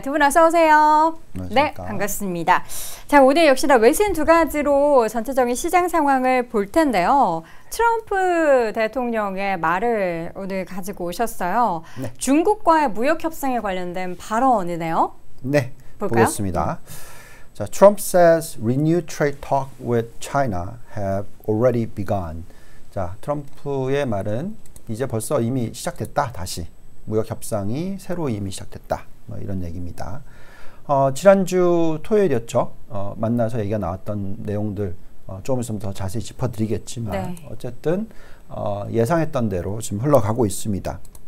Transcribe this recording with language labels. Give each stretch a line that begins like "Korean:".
Korean: 두 분 어서 오세요. 네, 반갑습니다. 자, 오늘 역시나 외신 두 가지로 전체적인 시장 상황을 볼 텐데요. 트럼프 대통령의 말을 오늘 가지고 오셨어요. 네. 중국과의 무역 협상에 관련된 발언이네요. 네, 볼까요? 보겠습니다. 자,
English: Trump says renewed trade talk with China have already begun.
Korean: 자, 트럼프의 말은 이제 벌써 이미 시작됐다. 다시 무역 협상이 새로 이미 시작됐다. 뭐 이런 얘기입니다. 지난주 토요일이었죠. 만나서 얘기가 나왔던 내용들 조금 있으면 더 자세히 짚어드리겠지만 네. 어쨌든 예상했던 대로 지금 흘러가고 있습니다.